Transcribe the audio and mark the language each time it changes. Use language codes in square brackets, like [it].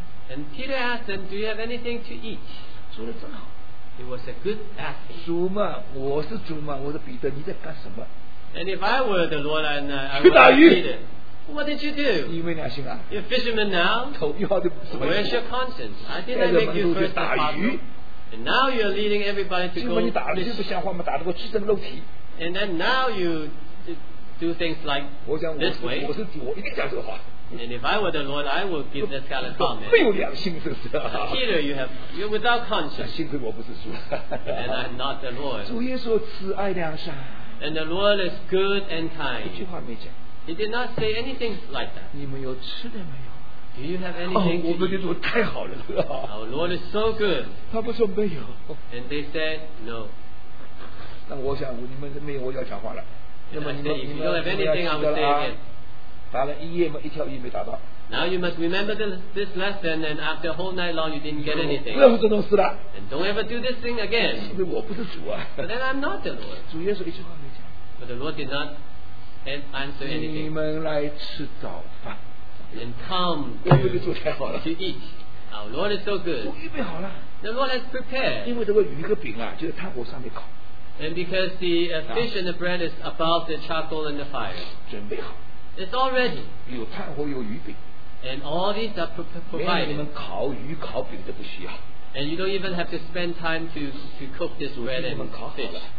[en] And Peter asked them, do you have anything to eat? It was a good asking. [zh] 主嘛，我是主嘛，我是彼得，你在干什么？ [en] And if I were the Lord, and I would ask Peter, what did you do? [zh] 你没良心啊！ [en] You're fishermen now. Where's your conscience? I didn't make you first a apostle. And now you're leading everybody to go fish. [zh] 你打了就不像话嘛，打得过去这么肉体。 [en] And then now you do things like this way. [zh] 我是主，我一定讲这话。 [en] And if I were the Lord, I would give this kind of comment. [zh] 没有良心是不是？ [en] Peter, you're without conscience. [zh] 幸亏我不是主。 [en] And I'm not the Lord. [zh] 主耶稣慈爱良善。 [en] And the Lord is good and kind. [zh] 一句话没讲。 [en] He did not say anything like that. [zh] 你们有吃的没有？ [en] Do you have anything to eat? [zh] 我们的主太好了。 [en] Our Lord is so good. [zh] 他们说没有。 [en] And they said no. [zh] 那我想你们没有，我要讲话了。那么你们你们没有吃的啦？ [en] Now you must remember this lesson, and after a whole night long, you didn't get anything. [zh] 不要做这种事了。 [en] And don't ever do this thing again. [zh] 因为我不是主啊。 [en] But then I'm not the Lord. [zh] 主耶稣一句话没讲。 [en] But the Lord did not answer anything. [zh] 你们来吃早饭。 [en] And come to eat. Our Lord is so good. [zh] 都预备好了。 [en] The Lord has prepared. [zh] 因为这个鱼和饼啊，就在炭火上面烤。 [en] And because the fish and the bread is above the charcoal and the fire. [zh] 准备好。 [en] It's all ready. [zh] 有炭火有鱼饼。 [en] And all these are provided. [zh] 连你们烤鱼烤饼都不需要。 [en] And you don't even have to spend time to cook this bread and fish.